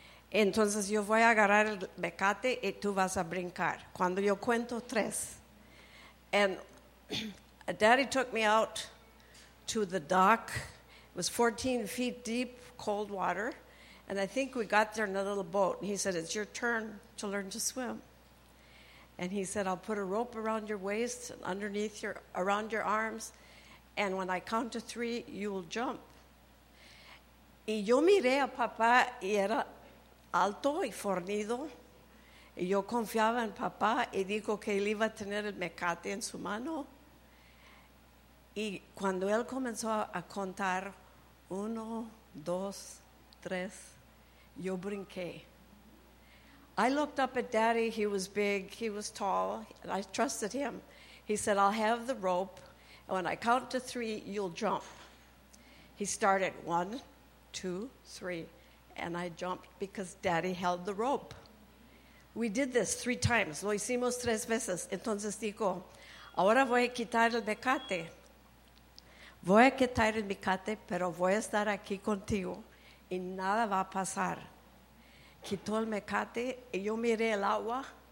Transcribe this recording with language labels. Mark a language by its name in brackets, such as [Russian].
[Spanish] Entonces yo voy a agarrar el macate y tú vas a brincar. Cuando yo cuento tres. [English] And Daddy took me out to the dock. It was 14 feet deep, cold water. And I think we got there in a little boat. And he said, it's your turn to learn to swim. And he said, I'll put a rope around your waist and underneath your, around your arms. And when I count to three, you'll jump. [Spanish] Y yo miré a papá y era alto y fornido. Y yo confiaba en papá y dijo que él iba a tener el mecate en su mano. Y cuando él comenzó a contar, uno, dos, tres, yo brinqué. [English] I looked up at Daddy. He was big. He was tall. And I trusted him. He said, I'll have the rope. And when I count to three, you'll jump. He started one, two, three. And I jumped because Daddy held the rope. We did this three times. [Spanish] Lo hicimos tres veces. Entonces dijo, ahora voy a quitar el mecate. Voy a quitar el mecate, pero voy a estar aquí contigo. Y nada va a pasar. Quitó el mecate y yo miré el agua.